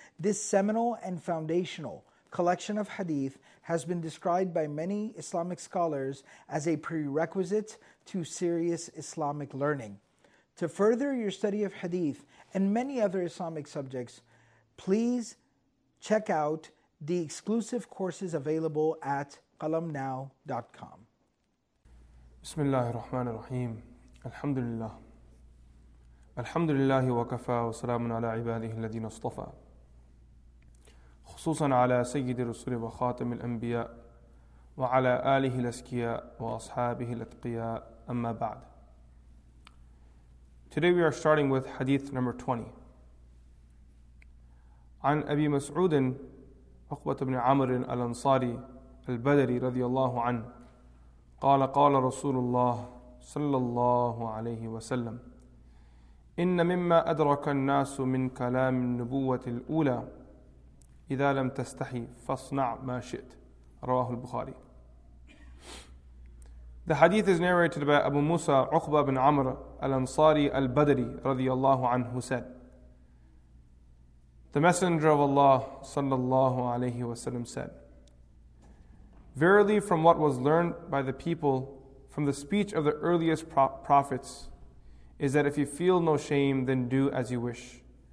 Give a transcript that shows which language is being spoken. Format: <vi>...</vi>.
<en>This seminal and foundational collection of hadith has been described by many Islamic scholars as a prerequisite to serious Islamic learning. To further your study of hadith and many other Islamic subjects, please check out the exclusive courses available at qalamnow.com.</en> <ar>بسم الله الرحمن الرحيم الحمد لله الحمد لله وكفى وسلام على عباده الذين اصطفى خصوصا على سيد الرسل وخاتم الأنبياء وعلى آله الأسكياء وأصحابه الأتقياء أما بعد.</ar> <en>Today we are starting with hadith number 20.</en> <ar>عن أبي مسعود عقبة بن عمرو الأنصاري البدري رضي الله عنه قال قال رسول الله صلى الله عليه وسلم إن مما أدرك الناس من كلام النبوة الأولى إذا لم تستحي فاصنع ما شئت رواه البخاري.</ar> <en>The hadith is narrated by Abu Musa Uqba bin Amr al-Ansari al-Badri</en> <ar>رضي الله عنه</ar> <en>said The Messenger of Allah</en> <ar>صلى الله عليه وسلم</ar> <en>said Verily, from what was learned by the people from the speech of the earliest prophets is that if you feel no shame, then do as you wish.</en>